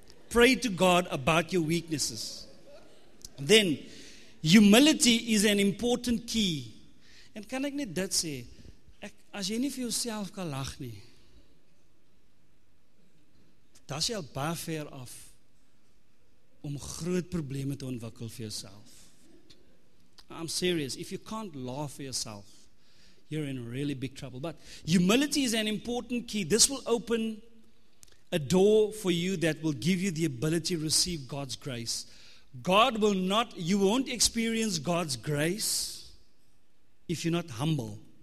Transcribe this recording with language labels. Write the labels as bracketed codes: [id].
[en] Pray to God about your weaknesses. Then, humility is an important key [af] En kan ek net dit sê, as jy nie vir jouself kan lag nie, dat is jy al baie ver af om groot probleme te ontwikkel vir jouself. [en] I'm serious, if you can't laugh for yourself, you're in really big trouble. But humility is an important key. This will open a door for you that will give you the ability to receive God's grace. God will not, you won't experience God's grace if you're not humble.